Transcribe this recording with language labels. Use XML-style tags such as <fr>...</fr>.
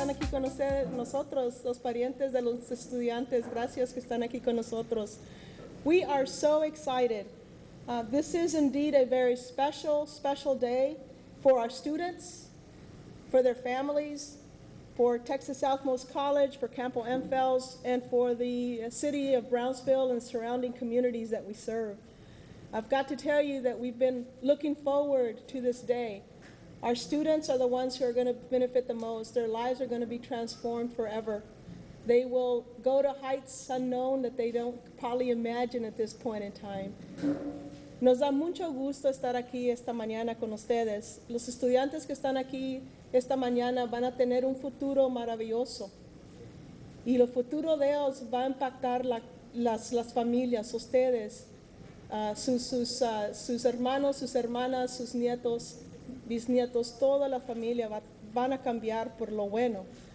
<es>con ustedes, nosotros, los parientes de los estudiantes. Gracias que están aquí con nosotros.</es> <en>We are so excited. This is indeed a very special, special day for our students, for their families, for Texas Southmost College, for Campbell Enfels, and for the city of Brownsville and surrounding communities that we serve. I've got to tell you that we've been looking forward to this day. Our students are the ones who are going to benefit the most. Their lives are going to be transformed forever. They will go to heights unknown that they don't probably imagine at this point in time.</en> <es>Nos da mucho gusto estar aquí esta mañana con ustedes. Los estudiantes que están aquí esta mañana van a tener un futuro maravilloso. Y el futuro de ellos va a impactar las familias, ustedes, sus hermanos, sus hermanas, sus nietos, bisnietos, toda la familia van a cambiar por lo bueno.</es>